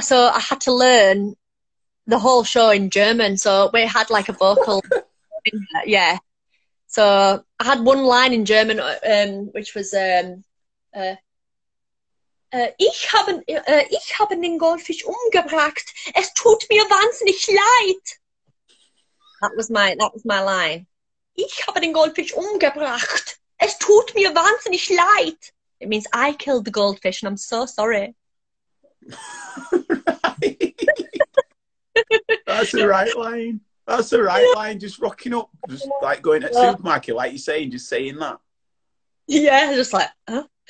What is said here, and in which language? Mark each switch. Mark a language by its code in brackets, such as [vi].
[en] So I had to learn the whole show in German. So we had like a vocal... Yeah, so I had one line in German, which was [de] "Ich habe den Goldfisch umgebracht. Es tut mir wahnsinnig leid." [en] That was my line. [de] Ich habe den Goldfisch umgebracht. Es tut mir wahnsinnig leid. [en] It means I killed the goldfish, and I'm so sorry. That's the right line. That's the right line, just rocking up, just like going to a supermarket, like you're saying, just saying that. Yeah, just like, huh?